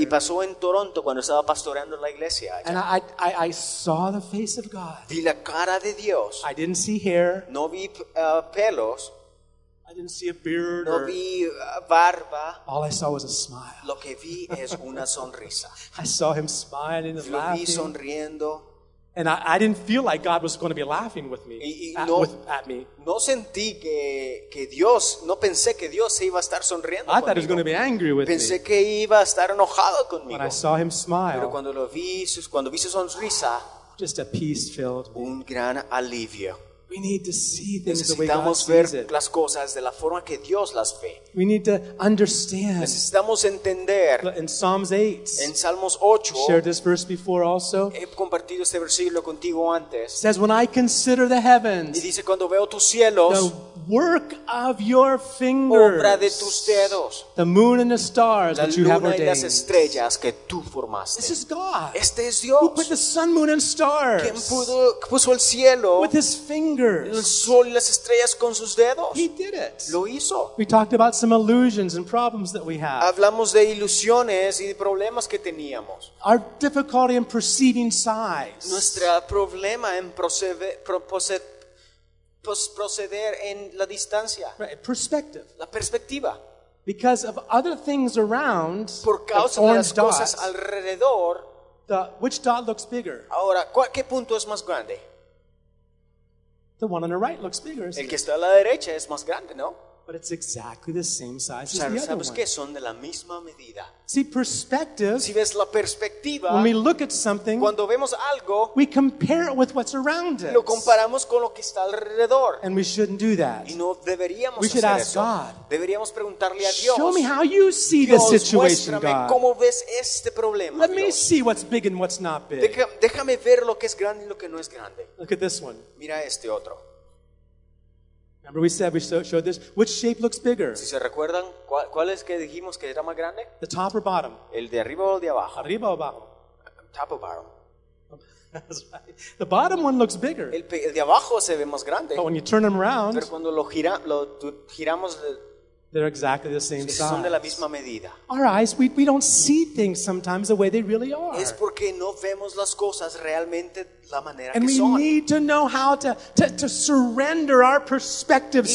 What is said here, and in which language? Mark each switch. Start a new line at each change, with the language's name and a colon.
Spanish: Y pasó en Toronto cuando estaba pastoreando la iglesia allá.
English: And I saw the face of God.
Spanish: Vi la cara de Dios.
English: I didn't see hair.
Spanish: No vi pelos.
English: I didn't see a beard.
Spanish: No vi barba.
English: All I saw was a smile.
Spanish: Lo que vi es una sonrisa.
English: I saw him smiling and laughing.
Spanish: Lo vi sonriendo.
English: And I didn't feel like God was going to be laughing with me. No, at me.
Spanish: No sentí que Dios, no pensé que Dios se iba a estar sonriendo.
English: I thought
Spanish: conmigo.
English: He was going to be angry with
Spanish: pensé Pensé que iba a estar enojado conmigo.
English: When I saw him smile.
Spanish: Pero cuando vi su sonrisa,
English: just a peace filled
Spanish: un gran alivio.
English: We need to see things the way God sees it.
Spanish: Las cosas de la forma que Dios las ve.
English: We need to understand.
Spanish: Necesitamos entender.
English: In Psalms 8.
Spanish: En Salmos 8.
English: Shared this verse before also.
Spanish: He compartido este versículo contigo antes.
English: Says when I consider the heavens.
Spanish: Y dice cuando veo tus cielos.
English: The work of your fingers.
Spanish: Obra de tus dedos.
English: The moon and the stars that you have ordained.
Spanish: La luna y las estrellas que tú formaste.
English: This is God.
Spanish: Este es Dios.
English: Who put the sun, moon and stars?
Spanish: ¿Quién puso el cielo?
English: With his fingers.
Spanish: El sol y las estrellas con sus dedos.
English: He did it.
Spanish: Lo hizo.
English: We talked about some illusions and problems that we have.
Spanish: Hablamos de ilusiones y de problemas que teníamos.
English: Our difficulty in perceiving size.
Spanish: Nuestro problema en proceder en la distancia.
English: Right, perspective.
Spanish: La perspectiva.
English: Because of other things around,
Spanish: por causa
English: the orange
Spanish: de las cosas
English: dot,
Spanish: alrededor,
English: the, which dot looks bigger?
Spanish: Ahora, ¿qué punto es más grande?
English: The one on the right looks bigger.
Spanish: El que está a la derecha es más grande, ¿no?
English: But it's exactly the same size as the other one.
Spanish: ¿Sabes qué? Son de la misma medida.
English: See, perspective.
Spanish: Si ves la perspectiva.
English: When we look at something.
Spanish: Cuando vemos algo.
English: We compare it with what's around it.
Spanish: Lo comparamos con lo que está alrededor.
English: And we shouldn't do that.
Spanish: Y no deberíamos hacer
English: eso. We should ask God.
Spanish: Deberíamos preguntarle a Dios.
English: Show me how you see the situation, God.
Spanish: Dios, muéstrame cómo ves este problema,
English: Dios. Let me see what's big and what's not big.
Spanish: Déjame ver lo que es grande y lo que no es grande.
English: Look at this one.
Spanish: Mira este otro.
English: Remember we said we showed this. Which shape looks bigger?
Spanish: Si se recuerdan, ¿cuál es que dijimos que era más grande?
English: The top or bottom?
Spanish: El de arriba o el de abajo. Arriba o abajo.
English: Top or bottom? That's right. The bottom one looks bigger.
Spanish: El de abajo se ve más grande.
English: But when you turn them around,
Spanish: pero cuando lo giramos.
English: They're exactly the same
Spanish: son
English: size.
Spanish: De la misma medida.
English: Our eyes, we don't see things sometimes the way they really are.
Spanish: Es porque no vemos las cosas realmente la manera
English: and
Spanish: que
English: we
Spanish: son.
English: Need to know how to surrender our perspectives